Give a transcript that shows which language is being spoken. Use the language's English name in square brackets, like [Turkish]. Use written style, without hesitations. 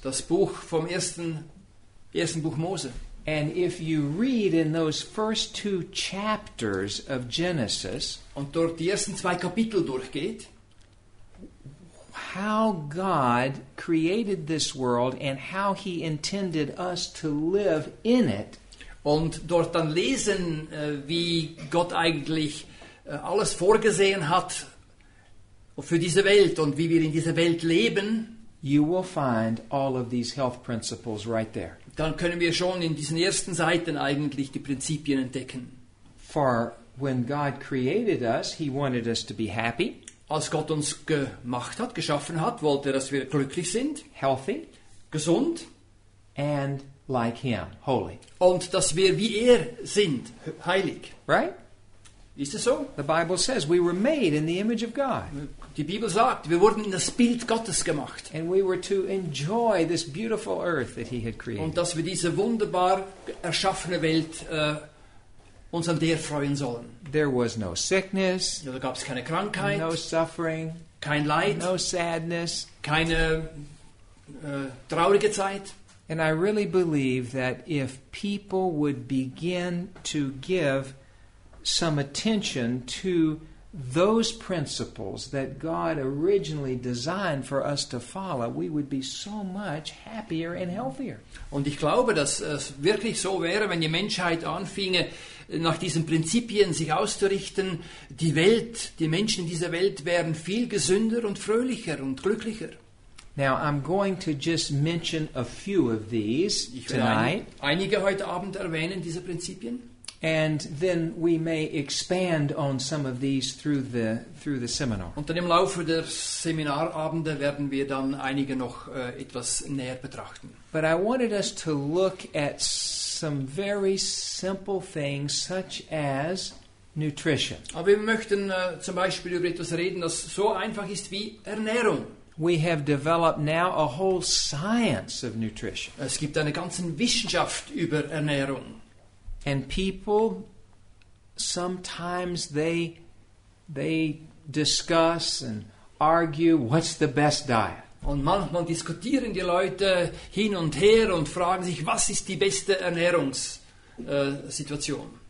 [German] das Buch vom ersten Buch Mose. [English] And if you read in those first two chapters of Genesis, [German] und dort die ersten zwei Kapitel durchgeht, [English] how God created this world and how he intended us to live in it. [German] Und dort dann lesen, wie Gott eigentlich alles vorgesehen hat für diese Welt und wie wir in dieser Welt leben. [English] You will find all of these health principles right there. [German] Dann können wir schon in diesen ersten Seiten eigentlich die Prinzipien entdecken. [English] For when God created us, he wanted us to be happy. [German] Als Gott uns gemacht hat, geschaffen hat, wollte er, dass wir glücklich sind, [English] healthy, [German] gesund, [English] and like him, holy. [German] Und dass wir wie er sind, heilig. [English] Right? [German] Ist es so? [English] The Bible says we were made in the image of God. [German] Die Bibel sagt, wir wurden in das Bild Gottes gemacht. [English] And we were to enjoy this beautiful earth that he had created. [German] Und dass wir diese wunderbar erschaffene Welt uns an der freuen sollen. [English] There was no sickness. [German] Ja, da gab es keine Krankheit. [English] No suffering. [German] Kein Leid. [English] No sadness. [German] Keine traurige Zeit. [English] And I really believe that if people would begin to give some attention to those principles that God originally designed for us to follow, we would be so much happier and healthier. [German] Und ich glaube, dass es wirklich so wäre, wenn die Menschheit anfinge, nach diesen Prinzipien sich auszurichten, die Welt, die Menschen in dieser Welt wären viel gesünder und fröhlicher und glücklicher. [English] Now I'm going to just mention a few of these tonight. [German] Ich werde einige heute Abend erwähnen, diese Prinzipien. [English] And then we may expand on some of these through the seminar. [German] Und dann im Laufe der Seminarabende werden wir dann einige noch etwas näher betrachten. [English] But I wanted us to look at some very simple things such as nutrition. [German] Aber wir möchten zum Beispiel über etwas reden, das so einfach ist wie Ernährung. [English] We have developed now a whole science of nutrition. [German] Es gibt eine ganze Wissenschaft über Ernährung. [English] And people, sometimes they discuss and argue, what's the best diet? [German] Und manchmal diskutieren die Leute hin und her und fragen sich, was ist die beste Ernährungssituation?